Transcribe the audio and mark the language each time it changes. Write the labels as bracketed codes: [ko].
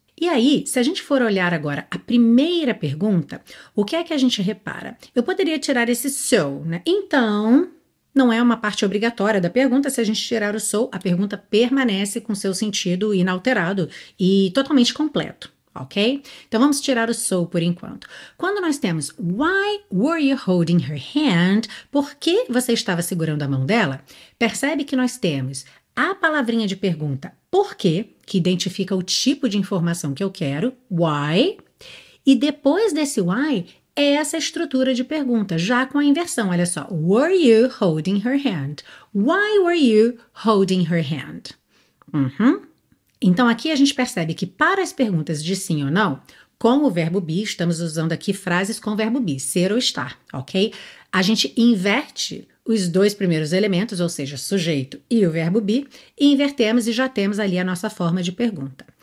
[pt] E aí, se a gente for olhar agora a primeira pergunta, o que é que a gente repara? Eu poderia tirar esse so, né? Então, não é uma parte obrigatória da pergunta. Se a gente tirar o so, a pergunta permanece com seu sentido inalterado e totalmente completo, ok? Então, vamos tirar o so por enquanto. Quando nós temos [en] why were you holding her hand? [pt] Por que você estava segurando a mão dela? Percebe que nós temos a palavrinha de pergunta por quê, que identifica o tipo de informação que eu quero, why, e depois desse why, essa estrutura de pergunta, já com a inversão, olha só, [en] were you holding her hand? Why were you holding her hand? Uhum. [pt] Então, aqui a gente percebe que para as perguntas de sim ou não, com o verbo be, estamos usando aqui frases com o verbo be, ser ou estar, ok? A gente inverte os dois primeiros elementos, ou seja, sujeito e o verbo be, e invertemos e já temos ali a nossa forma de pergunta.